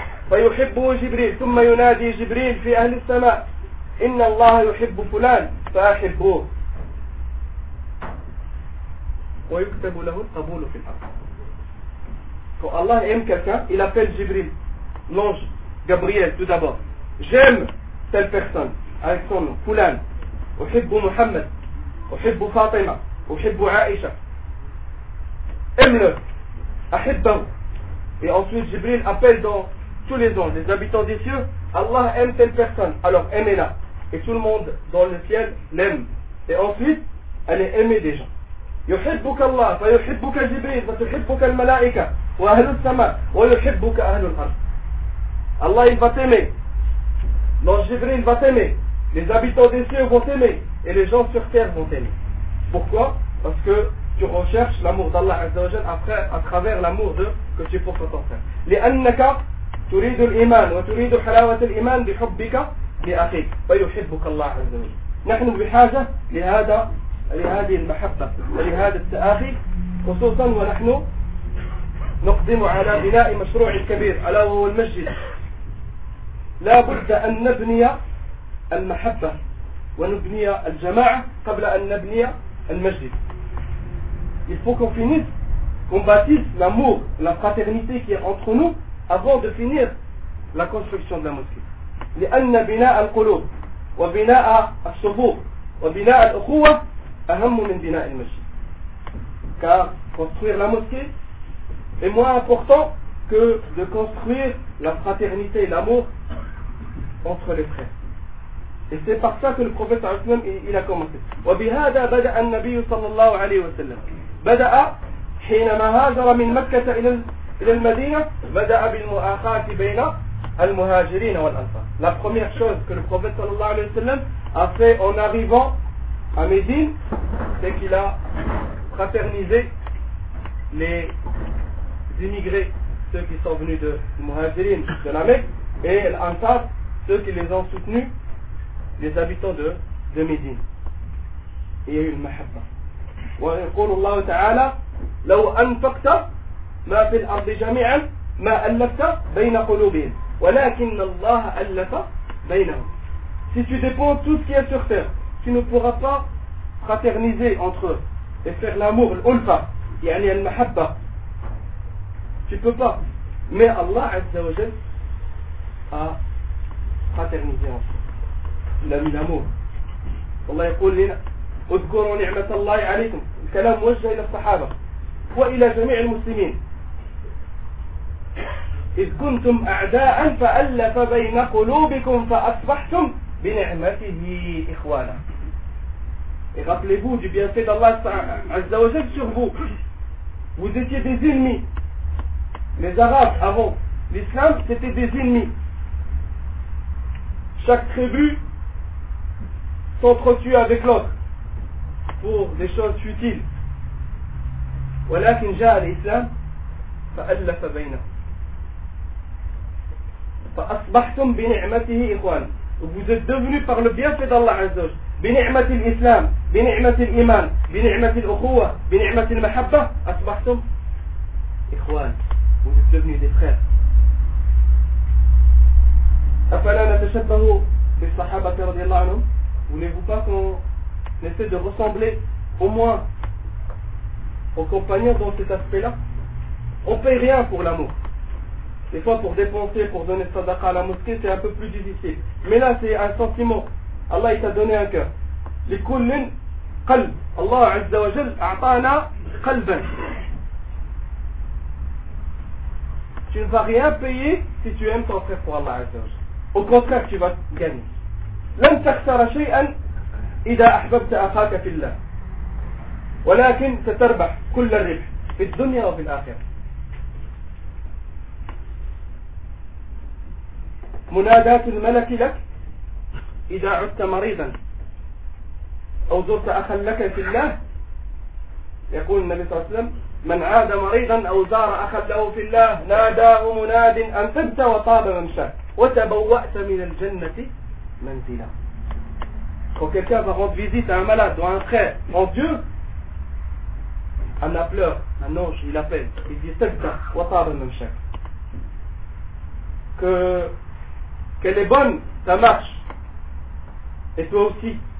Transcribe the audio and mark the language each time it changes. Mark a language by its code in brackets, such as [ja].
[ar] فيحبه جبريل ثم ينادي جبريل في أهل السماء إن الله يحب فلان فأحبه ويكتب له القبول في الأرض. [fr] فالله aime quelqu'un, il appelle Jibril, l'ange Gabriel tout d'abord. J'aime telle personne avec son nom, فلان. [ar] أحب محمد, أحب فاطمة, أحب عائشة. [fr] Aime-le, [ar] أحبه. [fr] Et ensuite Jibril appelle dans tous les anges, les habitants des cieux, Allah aime telle personne, alors aimez-la. Et tout le monde dans le ciel l'aime. Et ensuite, elle est aimée des gens. [ar] يحبك الله فيحبك جبريل فتحبك الملائكة وأهل السماء ويحبك أهل الأرض. [fr] Allah il va t'aimer. L'ange Jibril va t'aimer. Les habitants des cieux vont t'aimer. Et les gens sur terre vont t'aimer. Pourquoi? Parce que tu recherches l'amour d'Allah Azza wa Jal à travers l'amour de, que tu portes à ton frère. [ar] لأنك تريد الإيمان وتريد حلاوة الإيمان بحبك لأخيك ويحبك الله عز وجل. نحن بحاجة لهذا, لهذه المحبة ولهذا التآخي, خصوصا ونحن نقدم على بناء مشروع كبير ألا وهو المسجد. لا بد أن نبني المحبة ونبني الجماعة قبل أن نبني المسجد. [fr] Il faut qu'on finisse, qu'on bâtisse l'amour, la fraternité qui est entre nous avant de finir la construction de la mosquée. [ar] لأن بناء القلوب وبناء الصفوف وبناء الأخوة أهم من بناء المسجد. [fr] Car construire la mosquée est moins important que de construire la fraternité et l'amour entre les frères. Et c'est par ça que le prophète il a commencé. [ar] وبهذا بدأ النبي صلى الله عليه وسلم بدأ حينما هاجر من مكة إلى إلى المدينة بدأ بالمؤاخاة بين المهاجرين والأنصار. [fr] La première chose que le prophète sallallahu alayhi wa sallam a fait en arrivant à Médine, c'est qu'il a fraternisé les immigrés, ceux qui sont venus de Muhajirin, de la Mecque, et l'Ansar, ceux qui les ont soutenus, les habitants de Médine. Il y a eu une mahabba. [ar] Wa yaqulu Allah ta'ala law anfaqta ما في الأرض جميعا ما ألفت بين قلوبهم ولكن الله ألف بينهم. [fr] Si tu dépenses tout ce qui est sur terre, tu ne pourras pas fraterniser entre eux et faire l'amour, l'ulfa, [ar] يعني المحبة. [fr] Tu peux pas. Mais Allah Azza wa Jal a fraternisé entre eux. Il a mis l'amour. [ar] Allah يقول لنا اذكروا نعمة الله عليكم. الكلام موجه إلى الصحابة وإلى جميع المسلمين. إذ كنتم أعداء فألف بين قلوبكم فأصبحتم بنعمته إخوانا. [fr] Rappelez-vous du bienfait d'Allah Azza wa Jal sur vous. Vous étiez des ennemis. Les Arabes avant l'islam, c'était des ennemis. Chaque tribu s'entretue avec l'autre. pour des choses futiles. [ar] ولكن جاء الإسلام فألف بينه فأصبحتم بنعمته إخوان. [fr] Vous êtes devenus par le bienfait d'Allah Azza wa Jalla. [ar] بنعمة الإسلام، بنعمة الإيمان، بنعمة الأخوة، بنعمة المحبة، أصبحتم إخوان. [fr] Vous êtes devenus des frères. [ar] أفلا نتشبه بالصحابة رضي الله عنهم؟ [fr] Voulez-vous pas qu'on essaie de ressembler au moins aux compagnons dans cet aspect-là? On ne paye rien pour l'amour. Des fois, pour dépenser, pour donner sadaqa à la mosquée, c'est un peu plus difficile. Mais là, c'est un sentiment. Allah, il t'a donné un cœur. Les kullin, qalb. [ar] Allah, Azza wa Jal, a'tana qalban. [fr] Tu ne vas rien payer si tu aimes ton frère pour Allah, Azza wa Jal. Au contraire, tu vas gagner. [ar] لن تخسر شيئا إذا أحببت أخاك في الله ولكن ستربح كل الربح في الدنيا وفي الآخرة. مناداة الملك لك إذا عدت مريضا أو زرت أخا لك في الله. يقول النبي صلى الله عليه وسلم: من عاد مريضا أو زار أخا له في الله ناداه مناد أن تبت وطاب ممشاك وتبوأت من الجنة منزلا. [fr] Quand quelqu'un va rendre visite à un malade ou à un frère en Dieu, un appeleur, un ange, il appelle. Il dit, [ar] Tabta, Watar al-Mamshak. [fr] Qu'elle est bonne, ta marche. Et toi aussi.